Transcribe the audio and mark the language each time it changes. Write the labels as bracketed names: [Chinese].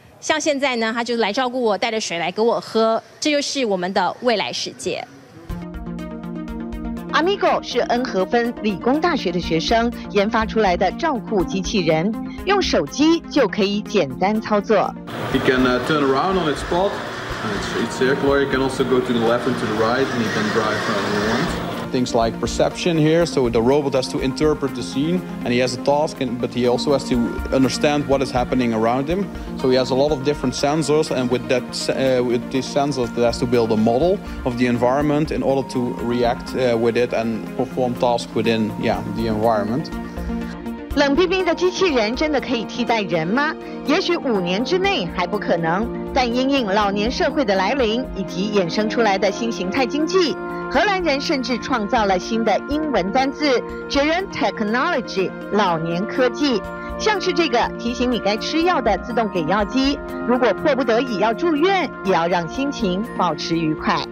[Chinese] 像现在呢，它就来照顾我，带着水来给我喝，这就是我们的未来世界。 Amigo 是恩和芬理工大学的学生研发出来的照护机器人，用手机就可以简单操作。 [English] It can turn around on its spot, it's circular. It can also go to the left and to the right, and it can drive however you want. Things like perception here, so the robot has to interpret the scene, and he has a task, but he also has to understand what is happening around him. So he has a lot of different sensors, and with that, with these sensors, he has to build a model of the environment in order to react with it and perform tasks within, yeah, the environment. [Chinese] 冷冰冰的机器人真的可以替代人吗？也许五年之内还不可能，但因应老年社会的来临以及衍生出来的新形态经济，荷兰人甚至创造了新的英文单字，指人 technology 老年科技，像是这个提醒你该吃药的自动给药机，如果迫不得已要住院，也要让心情保持愉快。